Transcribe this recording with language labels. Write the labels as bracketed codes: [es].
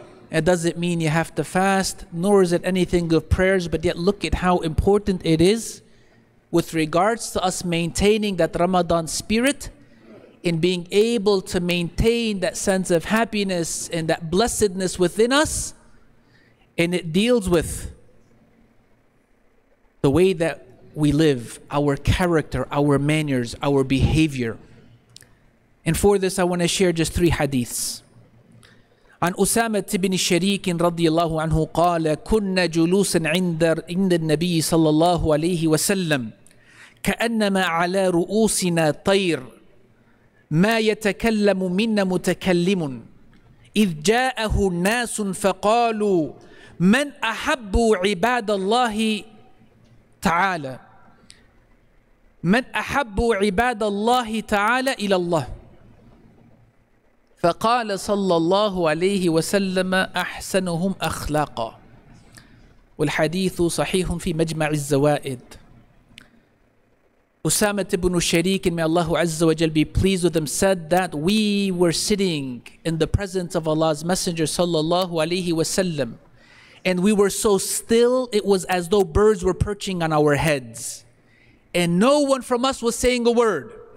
[en] It doesn't mean you have to fast, nor is it anything of prayers, but yet look at how important it is with regards to us maintaining that Ramadan spirit and being able to maintain that sense of happiness and that blessedness within us. And it deals with the way that we live, our character, our manners, our behavior. And for this, I want to share just three hadiths. [ar] عن أسامة بن شريك رضي الله عنه قال كنا جلوسا عند النبي صلى الله عليه وسلم كأنما على رؤوسنا طير ما يتكلم منا متكلم إذ جاءه الناس فقالوا من أحب عباد الله تعالى من أحب عباد الله تعالى إلى الله فقال صلى الله عليه وسلم أحسنهم أخلاقا والحديث صحيح في مجمع الزوائد. [en] أسامة بن شريك, may Allah Azza wa Jal be pleased with him, said that we were sitting in the presence of Allah's Messenger [ar] صلى الله عليه وسلم [en] and we were so still, it was as though birds were perching on our heads and no one from us was saying a word.